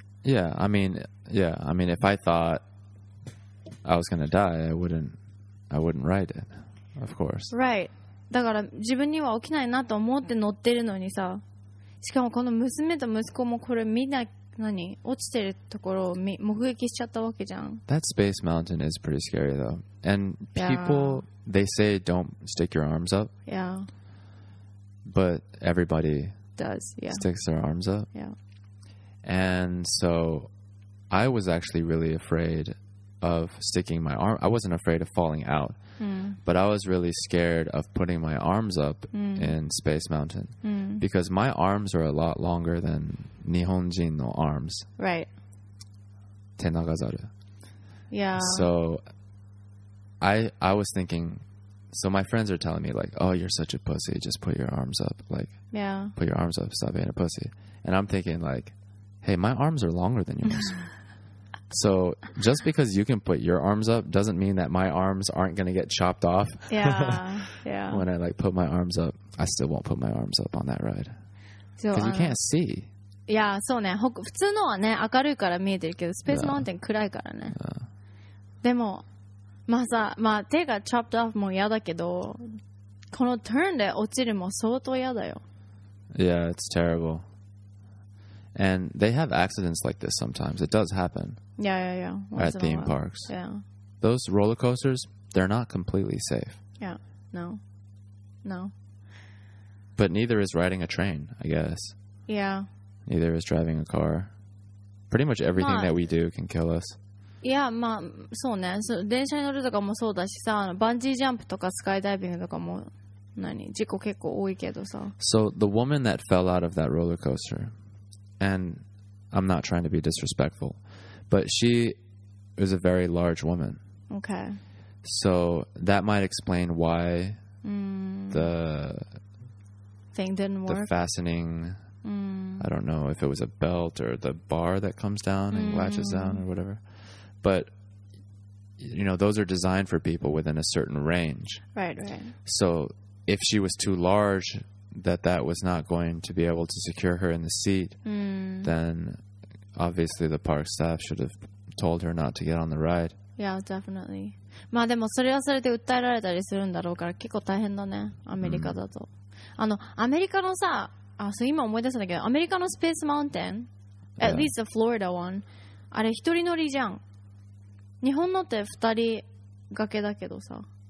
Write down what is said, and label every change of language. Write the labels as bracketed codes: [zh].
[en] Yeah, I mean, if I thought I was gonna die, I wouldn't ride it, of course. Right. [ja] だから自分には起きないなと思って乗ってるのにさ、しかもこの娘と息子もこれみんな何落ちてるところを目撃しちゃったわけじゃん。 [en] That Space Mountain is pretty scary though. And people, they say don't stick your arms up. Yeah. But everybody does, yeah. Sticks their arms up. Yeah. And so I was actually really afraid of sticking my arm. I wasn't afraid of falling out. But I was really scared of putting my arms up in Space Mountain. Because my arms are a lot longer than [ja] 日本人の [en] arms. Right. [ja] 手長ざる。 [en] Yeah. So I was thinking... So my friends are telling me like, oh, you're such a pussy. Just put your arms up. Like, yeah. Put your arms up. Stop being a pussy. And I'm thinking like, hey, my arms are longer than yours. So just because you can put your arms up doesn't mean that my arms aren't going to get chopped off. Yeah. Yeah. When I like put my arms up, I still won't put my arms up on that ride. Because you can't see. [ja] いやそうね、普通のはね明るいから見えてるけど、スペースマウンテン暗いからね、でもまあさ、まあ手がチョップドアフも嫌だけど、このターンで落ちるも相当嫌だよ。 [en] Yeah, it's terrible. And they have accidents like this sometimes. It does happen. Yeah, yeah, yeah. At theme parks. Yeah. Those roller coasters, they're not completely safe. Yeah, no. No. But neither is riding a train, I guess. Yeah. Neither is driving a car. Pretty much everything that we do can kill us. [ja] いやまあそうね、そう、電車に乗るとかもそうだしさ、バンジージャンプとかスカイダイビングとかも何事故結構多いけどさ。 [en] So the woman that fell out of that roller coaster, and I'm not trying to be disrespectful, but she is a very large woman. Okay. So that might explain why、mm. the thing didn't work. The fastening、mm. I don't know if it was a belt or the bar that comes down and、mm. latches down or whatever. But, you know, those are designed for people within a certain range. Right, right. So, if she was too large, that was not going to be able to secure her in the seat,、 mm. then obviously the park staff should have told her not to get on the ride. Yeah, definitely. [ja] まあでもそれはそれで訴えられたりするんだろうから結構大変だね、アメリカだと。 Mm. あの、アメリカのさ、あ、そう、今思い出したんだけど、アメリカのスペースマウンテン、yeah. [en] at least the Florida one, [ja] あれ一人乗りじゃん。日本のって二人掛けだけどさ。